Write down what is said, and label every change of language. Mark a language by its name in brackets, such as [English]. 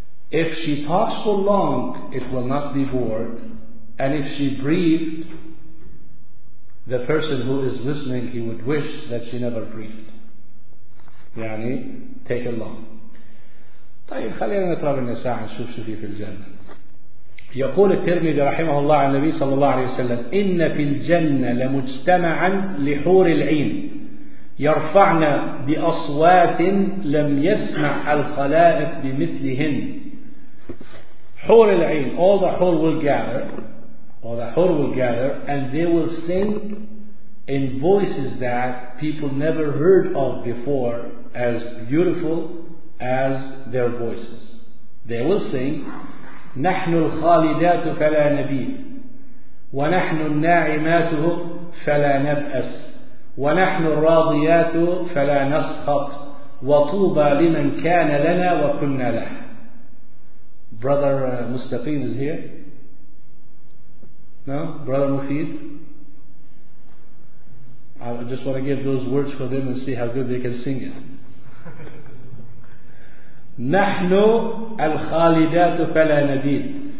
[English] If she talks for long, it will not be bored. And if she breathed, the person who is listening, he would wish that she never breathed. يعني, take it long. [Arabic] طيب خلينا نطلع بالنساء ونشوف شو في الجنة. يقول الترمذي رحمه الله عن النبي صلى الله عليه وسلم إن في الجنة لمجتمعا لحور العين يرفعن بأصوات لم يسمع الخلائق بمثلهن. [English] حور العين, all the حور will gather, all the حور will gather, and they will sing in voices that people never heard of before, as beautiful as their voices. They will sing, [Arabic] نحن الخالدات فلا نبيت, ونحن الناعمات فلا نبأس, ونحن الراضيات فلا نسخط, وطوبى لمن كان لنا وكنا له. [English] Brother Mustaqim is here. No? Brother Mufid? I just want to give those words for them and see how good they can sing it. [Arabic] نحن الخالدات فلا نبيت.